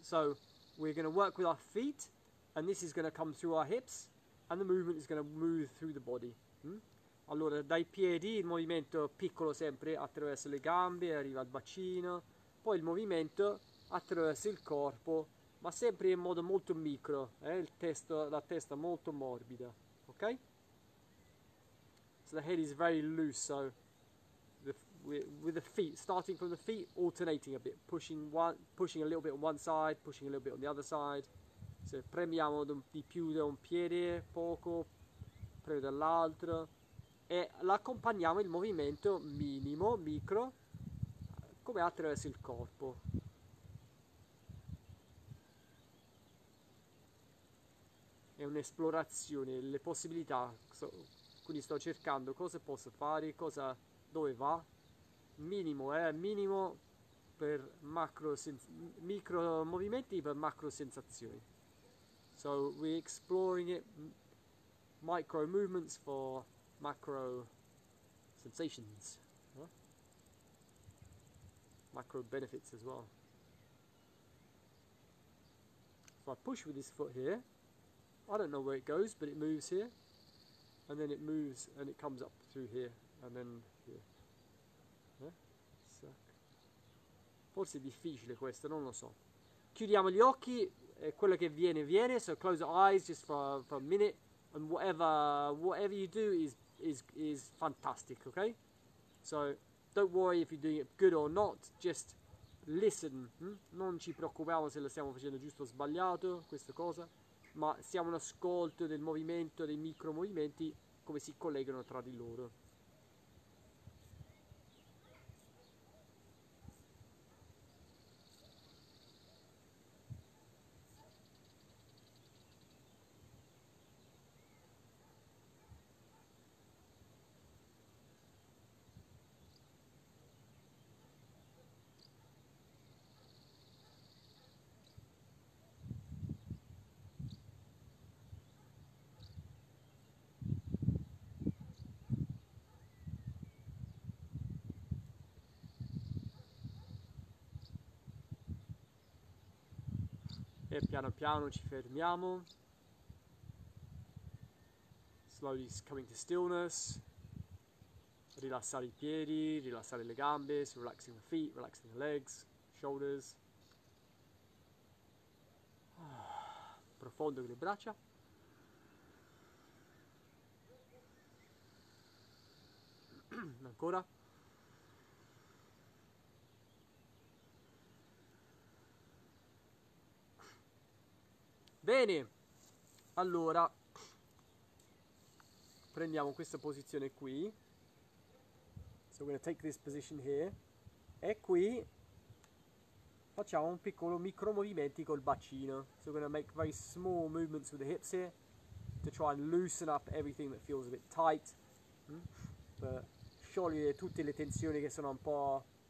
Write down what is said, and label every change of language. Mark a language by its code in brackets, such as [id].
[en] So, we're going to work with our feet, and this is going to come through our hips, and the movement is going to move through the body. [it] Allora, dai piedi il movimento piccolo sempre attraverso le gambe, arriva al bacino, poi il movimento attraverso il corpo. Ma sempre in modo molto micro, la testa molto morbida, ok? [en] So the head is very loose, so with the feet, starting from the feet, alternating a bit, pushing a little bit on one side, pushing a little bit on the other side. [it] So premiamo di più da un piede, poco, premo dall'altro, e l'accompagniamo il movimento minimo, micro, come attraverso il corpo. È un'esplorazione, le possibilità, quindi sto cercando cosa posso fare, cosa, dove va. Minimo per macro, micro movimenti per macro sensazioni. [en] So we're exploring it, micro movements for macro sensations, macro benefits as well. So I push with this foot here. I don't know where it goes, but it moves here, and then it moves and it comes up through here, and then here. [it] Forse è difficile questo, non lo so. Chiudiamo gli occhi, e quello che viene, viene. [en] So close your eyes just for a minute, and whatever you do is fantastic, okay? So don't worry if you're doing it good or not, just listen. [it] Non ci preoccupiamo se lo stiamo facendo giusto o sbagliato, questa cosa. Ma siamo un ascolto del movimento, dei micromovimenti, come si collegano tra di loro. E piano piano ci fermiamo. [en] Slowly coming to stillness. [it] Rilassare i piedi, rilassare le gambe. [en] So relaxing the feet, relaxing the legs, shoulders. [it] Profondo con le braccia. Ancora. Bene, allora prendiamo questa posizione qui. [en] So we're gonna take this position here. [it] E qui facciamo un piccolo micro movimenti col bacino. [en] So we're gonna make very small movements with the hips here to try and loosen up everything that feels a bit tight. [it] Per sciogliere tutte le tensioni che sono un po'.